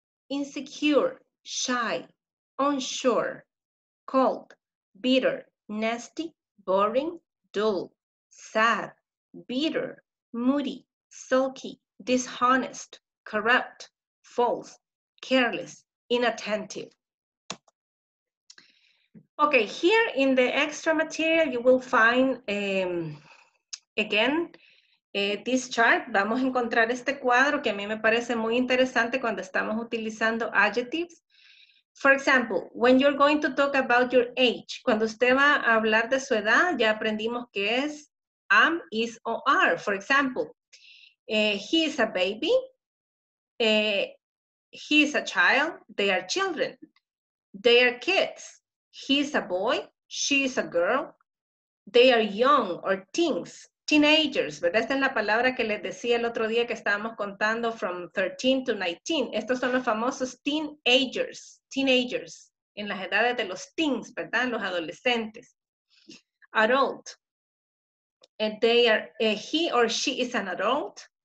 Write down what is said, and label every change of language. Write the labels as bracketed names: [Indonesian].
[English] insecure, shy, unsure, cold, bitter, nasty, boring, dull, sad, bitter, moody, sulky, dishonest, corrupt, false, careless, inattentive. Okay, here in the extra material, you will find, again, this chart. [Spanish] Vamos a encontrar este cuadro que a mí me parece muy interesante cuando estamos utilizando adjectives. [English] For example, when you're going to talk about your age, [Spanish] cuando usted va a hablar de su edad, ya aprendimos que es am, is, o are. [English] For example, he is a baby, he is a child, they are children, they are kids, he is a boy, she is a girl, they are young or teens, teenagers, ¿verdad? [Spanish] Esta es la palabra que les decía el otro día que estábamos contando [English] from 13 to 19. [Spanish] Estos son los famosos teenagers, teenagers, en las edades de los teens, ¿verdad? Los adolescentes. Adult. [English] And they are, he or she is an adult.